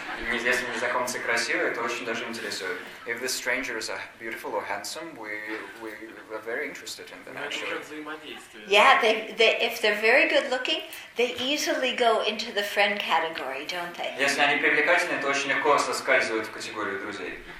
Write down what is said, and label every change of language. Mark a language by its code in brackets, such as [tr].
[ru] Незнакомцы, если красивые, то очень даже интересуют. [en] If the strangers are beautiful or handsome, we are very interested in them, actually. Yeah, they if they're very good looking, they easily go into the friend category, don't they? [ru] Если они привлекательные, то очень легко соскальзывают в категорию друзей.